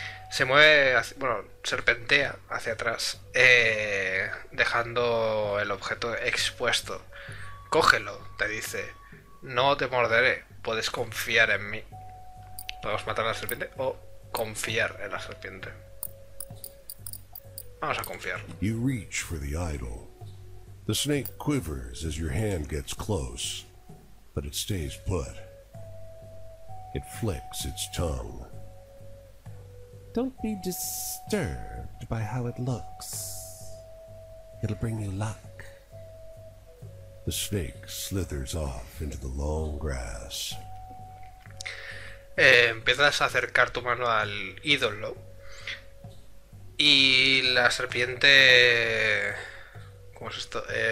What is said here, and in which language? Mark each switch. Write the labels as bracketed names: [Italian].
[Spanish] Se mueve, bueno, serpentea hacia atrás, dejando el objeto expuesto. Cógelo, te dice. No te morderé. Puedes confiar en mí. Podemos matar a la serpiente o confiar en la serpiente. Vamos a confiar. [English] You reach for the idol. The snake quivers as your hand gets close, but it stays put. It flicks its tongue. Don't be disturbed by how it looks. It'll bring you luck. The snake slithers off into the long grass. [Spanish] Empiezas a acercar tu mano al ídolo y la serpiente. ¿Cómo es esto?